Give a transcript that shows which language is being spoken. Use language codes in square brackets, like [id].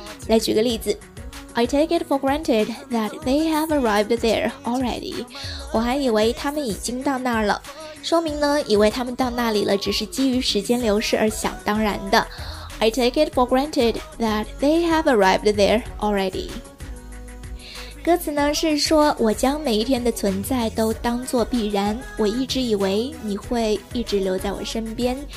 [zh] 来举个例子， [en] I take it for granted that they have arrived there already. [zh] 我还以为他们已经到那儿了。说明呢，以为他们到那里了只是基于时间流逝而想当然的。 [en] I take it for granted that they have arrived there already. [zh] 歌词呢是说我将每一天的存在都当作必然，我一直以为你会一直留在我身边。